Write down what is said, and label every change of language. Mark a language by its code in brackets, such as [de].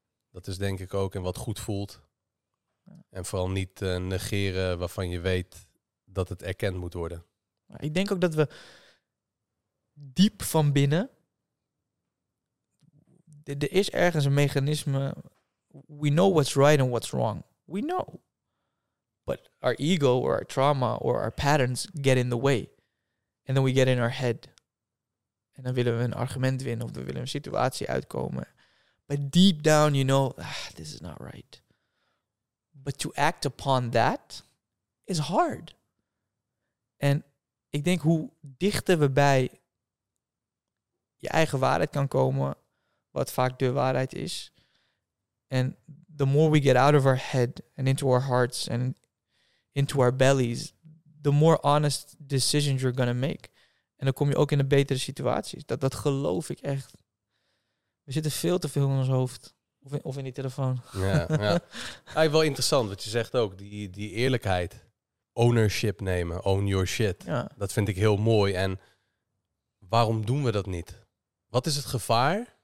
[nl] Dat is denk ik ook en wat goed voelt. En vooral niet negeren waarvan je weet dat het erkend moet worden. Ik denk ook dat we diep van binnen... Er is ergens een mechanisme... [en] We know what's right and what's wrong. We know. But our ego or our trauma or our patterns get in the way. And then we get in our head. [nl] En dan willen we een argument winnen of we willen een situatie uitkomen. [en] But deep down you know, this is not right. But to act upon that is hard. [nl] En ik denk hoe dichter we bij je eigen waarheid kan komen, wat vaak de waarheid is. [en] And the more we get out of our head and into our hearts and into our bellies, the more honest decisions you're gonna make. [nl] En dan kom je ook in een betere situatie. Dat geloof ik echt. We zitten veel te veel in ons hoofd. Of in die telefoon. Ja, ja. Wel interessant wat je zegt ook. Die eerlijkheid. [en] Ownership [nl] nemen. [en] Own your shit. [nl] Ja. Dat vind ik heel mooi. En waarom doen we dat niet? Wat is het gevaar?